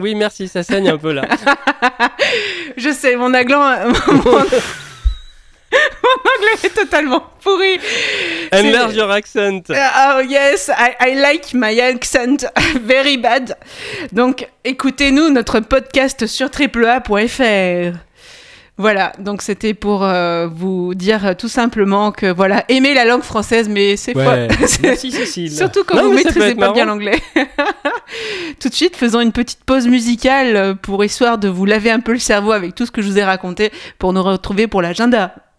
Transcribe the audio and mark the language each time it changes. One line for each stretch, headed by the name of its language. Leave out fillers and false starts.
French: Oui, merci, ça saigne un peu là. Je sais, mon aglant... Mon anglais est totalement pourri.
English: Enlarge your accent. Oh yes, I like my accent very bad.
French: Donc écoutez-nous notre podcast sur AAA.fr. Voilà, donc c'était pour vous dire tout simplement que voilà, aimez la langue française, mais c'est ouais. Faux. Cécile. Surtout quand vous ne maîtrisez pas bien l'anglais. Tout de suite, faisons une petite pause musicale pour histoire de vous laver un peu le cerveau avec tout ce que je vous ai raconté pour nous retrouver pour l'agenda.